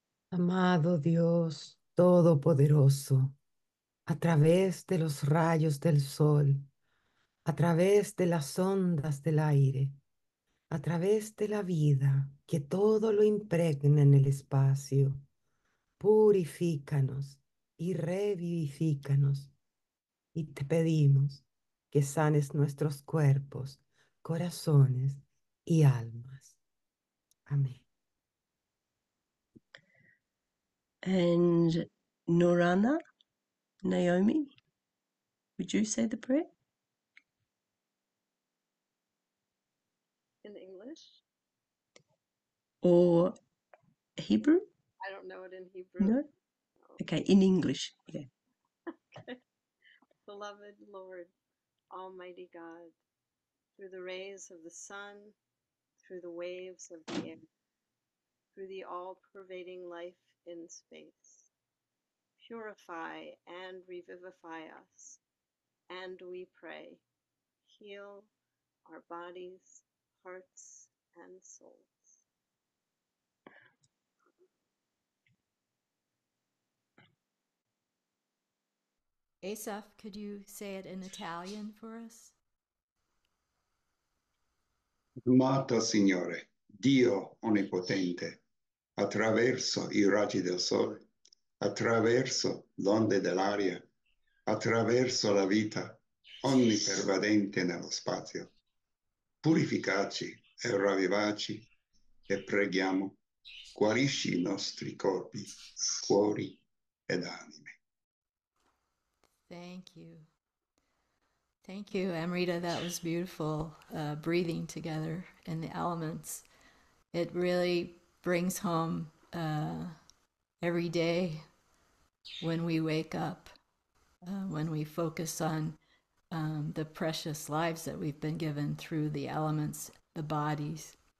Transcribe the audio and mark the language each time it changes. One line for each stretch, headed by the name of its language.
Spanish: Amado Dios Todopoderoso, a través de los rayos del sol, a través de las ondas del aire, a través de la vida que todo lo impregna en el espacio, purifícanos y revivifícanos. Y te pedimos que sanes nuestros cuerpos, corazones y almas. Amén.
English: And Norana, Naomi, would you say the prayer? Or Hebrew? I don't know it in Hebrew. No? Okay, in English. Yeah. Okay. Beloved Lord, Almighty God, through the rays of the sun, through the waves of the air, through the all-pervading life in space, purify and revivify us, and we pray, heal our bodies, hearts, and souls. Asaf, could you say it in Italian for us?
Italian: Amato Signore, Dio onnipotente, attraverso i raggi del sole, attraverso l'onde dell'aria, attraverso la vita onnipervadente nello spazio, purificaci e ravvivaci e preghiamo, guarisci i nostri corpi, cuori ed anime.
English: Thank you. Thank you, Amrita. That was beautiful, breathing together in the elements. It really brings home every day when we wake up, when we focus on the precious lives that we've been given through the elements, the bodies.